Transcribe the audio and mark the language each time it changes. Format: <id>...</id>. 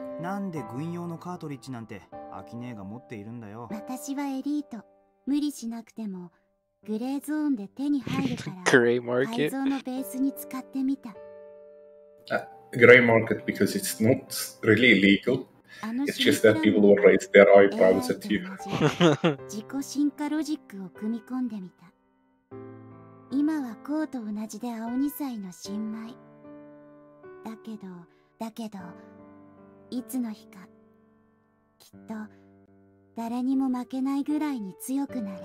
<ja>カートリッジなんてアキネが持っているんだよ。私はエリート。無理しなくてもグレーゾーンで手に入るから。グレーマーケット。改造のベースに使ってみた。</ja> <en>グレーマーケット because it's not really illegal. It's just that people will raise their eyebrows at you.</en> <ja>自己進化ロジックを組み込んでみた。今はコウと同じで青二歳の新米だけど、だけどいつの日かきっと誰にも負けないぐらいに強くなる。</ja>